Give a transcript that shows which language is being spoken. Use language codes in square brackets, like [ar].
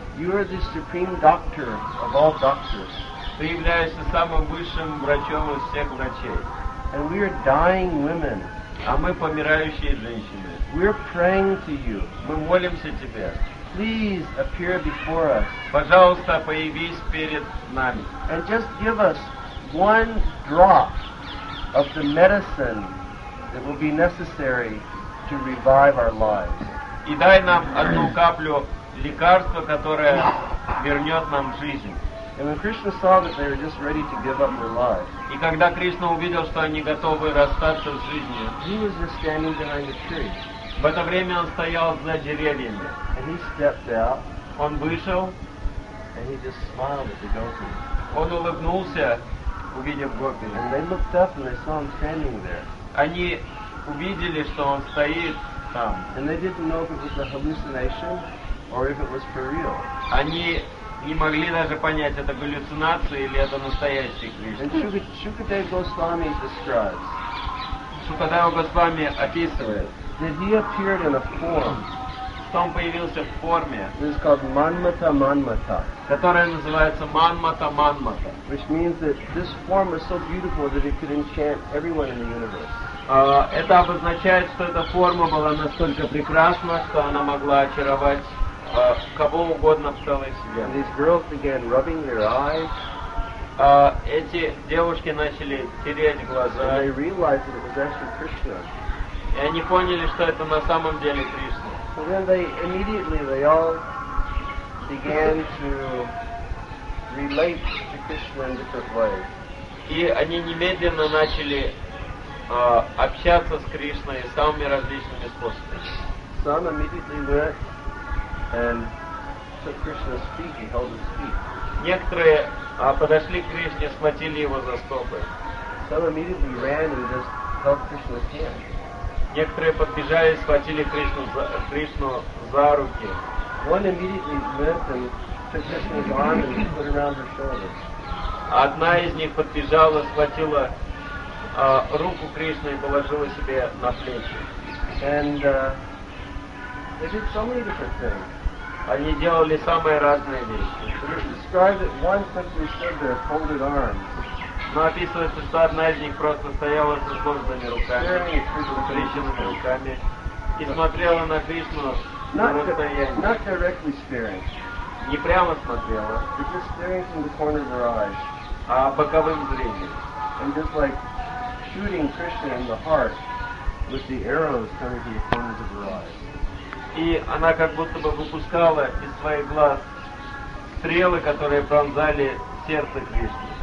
[en] You are the supreme doctor of all doctors. [ru] Ты являешься самым высшим врачом из всех врачей. [en] And we are dying women. [ru] А мы помирающие женщины. [en] We're praying to you. [ru] Мы молимся тебе. [en] Please appear before us. [ru] Пожалуйста, появись перед нами. [en] And just give us one drop of the medicine that will be necessary to revive our lives. [ru] И дай нам одну каплю лекарства, которое вернет нам жизнь. [en] And when Krishna saw that they were just ready to give up their lives, [ru] и когда Кришна увидел, что они готовы расстаться с жизнью, [en] he was just standing behind a tree. [ru] В это время он стоял за деревьями. [en] And he stepped out. [ru] Он вышел. [en] And he just smiled at the gopis. [ru] Он улыбнулся, увидев гопи. [en] And they looked up and they saw him standing there. [ru] Они увидели, что он стоит там. [en] And they didn't know if it was a hallucination or if it was for real. [ru] Они не могли даже понять, это галлюцинация или это настоящий Кришна. [en] Shukadeva Goswami describes. [ru] Shukadeva Goswami описывает. [en] That he appeared in a form. [ru] Что он появился в форме. [en] This is called Manmata Manmata. [ru] Которая называется Manmata Manmata. [en] Which means that this form is so beautiful that it could enchant everyone in the universe. [ru] Это обозначает, что эта форма была настолько прекрасна, что она могла очаровать кого угодно в целой себе. [en] And these girls began rubbing their eyes. [ru] Эти девушки начали тереть глаза. [en] And they realized that it was actually Krishna. [ru] И они поняли, что это на самом деле Кришна. [en] So then they immediately they all began to relate to Krishna in different ways. [ru] И они немедленно начали общаться с Кришной самыми различными способами. [en] Some immediately went and took Krishna's feet, he held his feet. [ru] Некоторые подошли к Кришне, схватили его за стопы. [en] Some immediately ran and just held Krishna's hand. [ru] Некоторые подбежали и схватили Кришну за руки. [en] One immediately went and took Krishna's arm and put it around her shoulder. [ru] Одна из них подбежала, схватила руку Кришны и положила себе на плечи. [en] And they did so many different things. [ru] Они делали самые разные вещи. [en] Described it one simply stood there, folded arms. [ru] Но описывается, что одна из них просто стояла со сложенными руками и смотрела на Кришну на расстоянии. [en] Not directly staring. [ru] Не прямо смотрела. [en] They're just staring from the corner of their eyes. [ru] А боковым зрением. [en] And just like shooting Krishna in the heart with the arrows coming from the corners of her eyes. [ru] И она как будто бы выпускала из своих глаз стрелы, которые пронзали сердце Кришны.